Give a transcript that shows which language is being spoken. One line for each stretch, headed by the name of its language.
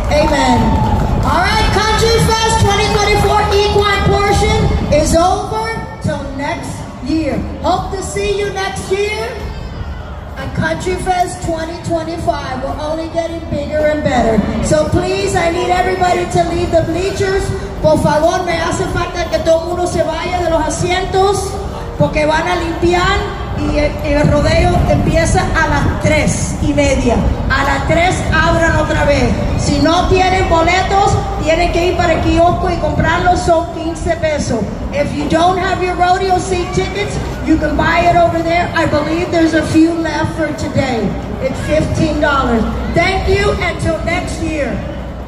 English: Amen. All right, Country Fest 2024 equine portion is over till next year. Hope to see you next year. And Country Fest 2025 will only getting bigger and better. So please, I need everybody to leave the bleachers.
Spanish: Por favor, me hace falta que todo mundo se vaya de los asientos porque van a limpiar y el rodeo empieza a las 3:30. A las 3 abran otra vez. Si no tienen boletos, tienen que ir para el kiosco y comprarlos, son 15 pesos.
English: If you don't have your rodeo seat tickets, you can buy it over there. I believe there's a few left for today. It's $15. Thank you, until next year.